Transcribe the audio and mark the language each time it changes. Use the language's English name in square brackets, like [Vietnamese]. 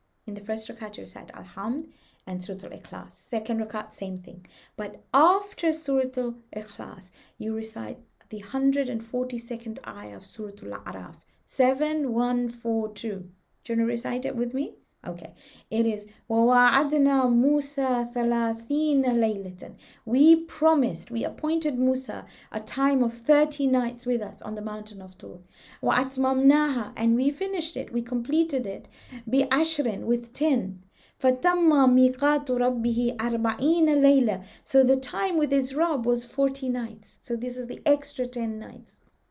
[English] In the first rakat, you recite Alhamd and Suratul Ikhlas. Second rakat, same thing. But after Suratul Ikhlas, you recite the 142nd ayah of Suratul A'raf. 7142. Do you want to recite it with me? Okay. It is, [Arabic] وَوَعَدْنَا مُوسَى ثَلَاثِينَ لَيْلَةً. [English] We promised, we appointed Musa a time of 30 nights with us on the mountain of Tur. [Arabic] وَأَتْمَمْنَاهَا. [English] And we finished it, we completed it, بِأَشْرٍ, with 10. [Arabic] فَتَمَّ مِقَاتُ رَبِّهِ أَرْبَعِينَ لَيْلَةً. [English] So the time with his Rabb was 40 nights. So this is the extra 10 nights.